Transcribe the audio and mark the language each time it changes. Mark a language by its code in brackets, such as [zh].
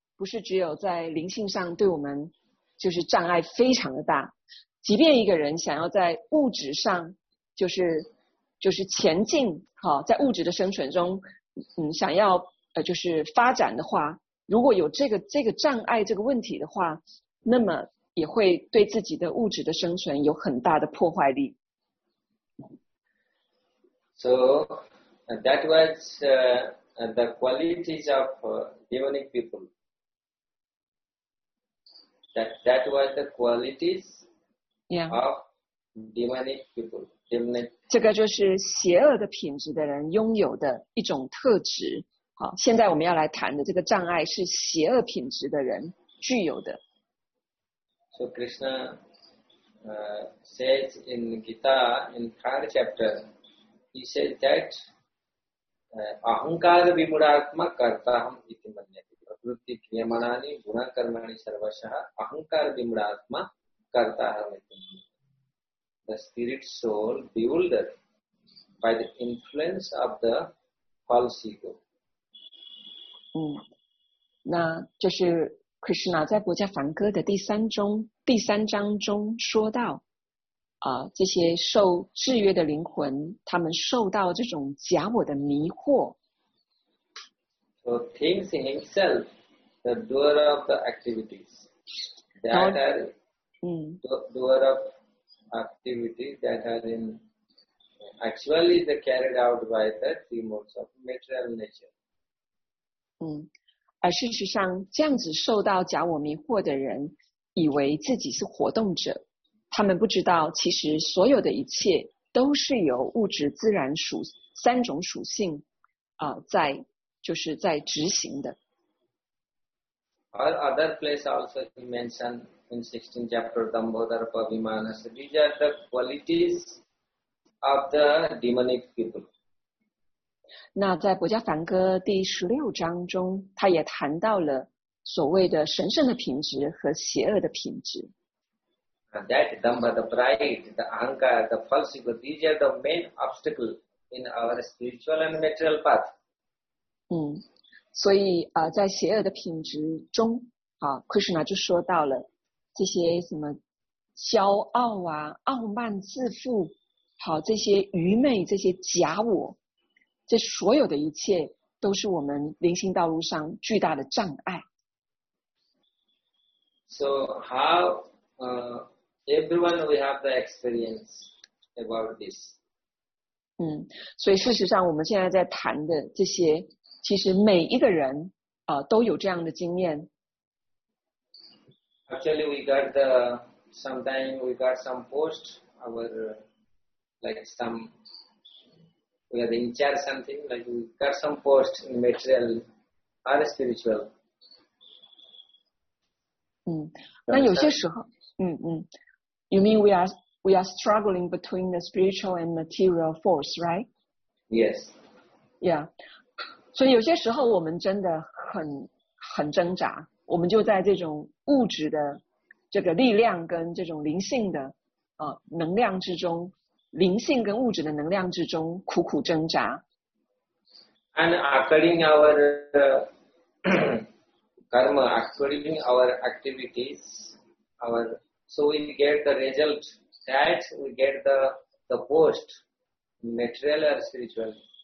[zh] 不是只有在灵性上对我们就是障碍非常的大，即便一个人想要在物质上就是前进，在物质的生存中想要就是发展的话，如果有这个障碍这个问题的话，那么也会对自己的物质的生存有很大的破坏力。 [en] So that was the qualities of demonic peopleThat was the qualities、 yeah. of demonic people. Demonic. [zh] 这个就是邪恶的品质的人拥有的一种特质。好，现在我们要来谈的这个障碍是邪恶品质的人具有的。 [en] So Krishna says in Gita, in third chapter, he said that [sa] ahankara vimudatma kartaham iti manyate prakriti kriyamanani guna karmani sarvashah ahankara vimudatma kartaham iti manyate. [en] The spirit soul bewildered by the influence of the false ego. [zh] 那就是 Krishna 在国家梵歌的第三章中说到这些受制约的灵魂他们受到这种假我的迷惑。 [en] So thinks in himself the doer of the activities. That are doer of activities that are in actually the carried out by the three modes of material nature. [zh] 而事实上这样子受到假我迷惑的人以为自己是活动者他们不知道其实所有的一切都是由物质自然三种属性在就是在执行的。 [en] Or other place also he mentioned in 16 chapter Dambodara Pavimana. So these are the qualities of the demonic people. [zh] 那在《薄伽梵歌》第十六章中，他也谈到了所谓的神圣的品质和邪恶的品质。 [en] That dhamma, the pride, the anger, the false ego, these are the main obstacles in our spiritual and material path. [zh] 所以在邪恶的品质中，Krishna 就说到了这些什么骄傲啊、傲慢、自负，这些愚昧、这些假我。这所有的一切都是我们灵性道路上巨大的障碍。 [en] So how everyone we have the experience about this? [zh] 所以事实上我们现在在谈的这些，其实每一个人都有这样的经验。 [en] Actually, we got the sometime we got some post our like some. We are in charge something, like we got some post in material or spiritual. [zh] 那有些时候 [en] you mean we are struggling between the spiritual and material force, right? Yes. Yeah. [zh] 所以有些时候我们真的很挣扎，我们就在这种物质的这个力量跟这种灵性的能量之中灵性跟物质的能量之中苦苦挣扎。 [en] And according our karma, according our activities, our so we get the result that we get the post, material or spiritual.